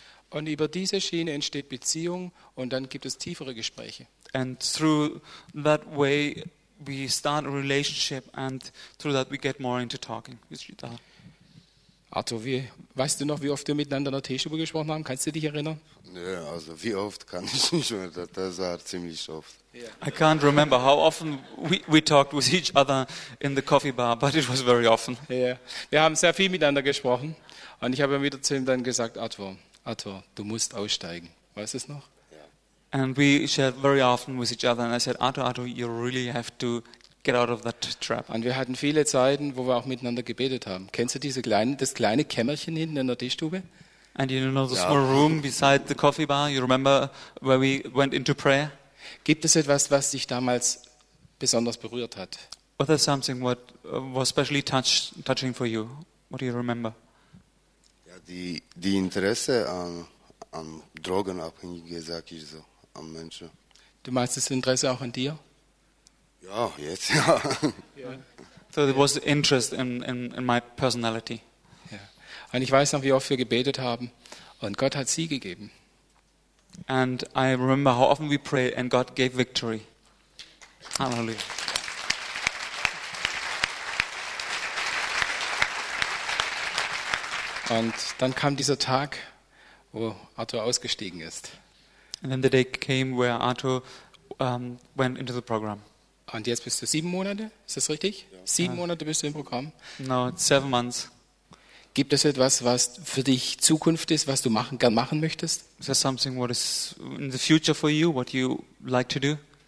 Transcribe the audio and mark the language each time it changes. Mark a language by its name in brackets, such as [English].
[German] Und über diese Schiene entsteht Beziehung und dann gibt es tiefere Gespräche. [English] And through that way we start a relationship and through that we get more into talking. [German] Arthur, weißt du noch, wie oft wir miteinander in der Teeschule gesprochen haben? Kannst du dich erinnern? Nö, ja, also wie oft kann ich nicht mehr, das war ziemlich oft. [English] Yeah. I can't remember how often we talked with each other in the coffee bar, but it was very often. Yeah. [German] Wir haben sehr viel miteinander gesprochen und ich habe ihm wieder zu ihm dann gesagt, Arthur, du musst aussteigen. Weißt du es noch? [English] Yeah. And we shared very often with each other and I said, Arthur, you really have to get out of that trap. [German] Und wir hatten viele Zeiten, wo wir auch miteinander gebetet haben. Kennst du diese das kleine Kämmerchen hinten in der Teestube? [English] And you know the small room beside the coffee bar? You remember where we went into prayer? [German] Gibt es etwas, was dich damals besonders berührt hat? [English] Was there something what was specially touching for you? What do you remember? [German] Ja, die Interesse an Drogenabhängige, sag ich so, an Menschen. Du meinst das Interesse auch an dir? Ja, jetzt, ja. [English] So there was interest in my personality. [German] Ja. Und ich weiß noch, wie oft wir gebetet haben und Gott hat Sieg gegeben. [English] And I remember how often we prayed and God gave victory. Hallelujah. [German] Und dann kam dieser Tag, wo Arthur ausgestiegen ist. [English] And then the day came where Arthur went into the program. [German] Und jetzt bist du 7 Monate, ist das richtig? Ja. 7 Monate bist du im Programm? [English] No, 7 months. [German] Gibt es etwas, was für dich Zukunft ist, was du gern machen möchtest? [English] Is there something what is in the future for you, what you like to do?